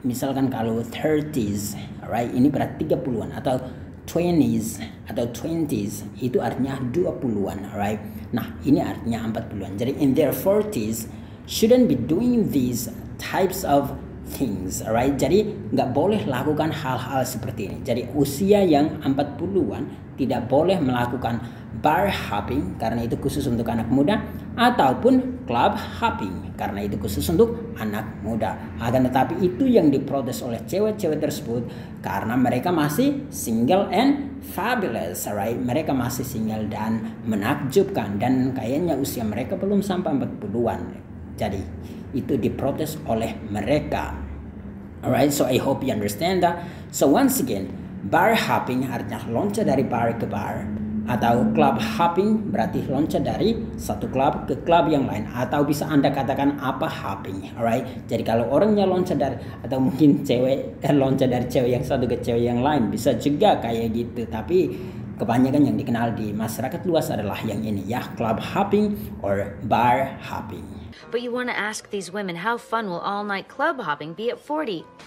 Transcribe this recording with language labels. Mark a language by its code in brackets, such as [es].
[id] Misalkan kalau 30s, right? Ini berarti 30-an. Atau 20s, atau 20s, itu artinya 20-an, right? Nah, ini artinya 40-an. [en] Jadi, in their 40s, shouldn't be doing these types of things, right? [id] Jadi, nggak boleh lakukan hal-hal seperti ini. Jadi, usia yang 40-an tidak boleh melakukan bar hopping, karena itu khusus untuk anak muda, ataupun club hopping, karena itu khusus untuk anak muda. Akan tetapi itu yang diprotes oleh cewek-cewek tersebut, karena mereka masih [en] single and fabulous, [id] right? Mereka masih single dan menakjubkan, dan kayaknya usia mereka belum sampai 40-an. Jadi itu diprotes oleh mereka. [en] Alright, so I hope you understand that. So once again, [id] bar hopping artinya loncat dari bar ke bar, atau club hopping berarti loncat dari satu club ke club yang lain, atau bisa Anda katakan apa hopping, alright? Jadi kalau orangnya loncat dari, atau mungkin cewek loncat dari cewek yang satu ke cewek yang lain, bisa juga kayak gitu, tapi kebanyakan yang dikenal di masyarakat luas adalah yang ini ya, club hopping or bar hopping. [en] But you want to ask these women how fun will all-night club hopping be at 40?